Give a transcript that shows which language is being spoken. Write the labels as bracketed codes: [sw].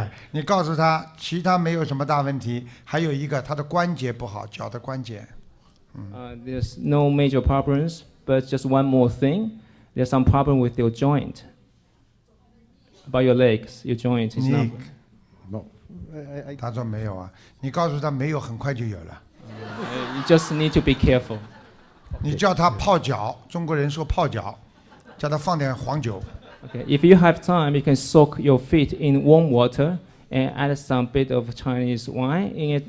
[zh] 你告诉他其他没有什么大问题，还有一个他的关节不好，脚的关节。 [en] There's no major problems, but just one more thing. There's some problem with your joint. About your legs, your joint. No. [zh] 他说没有啊，你告诉他没有，很快就有了。 [en] You just need to be careful. [zh] 你叫他泡脚，中国人说泡脚，叫他放点黄酒。 [en] Okay, if you have time, you can soak your feet in warm water and add some bit of Chinese wine in it.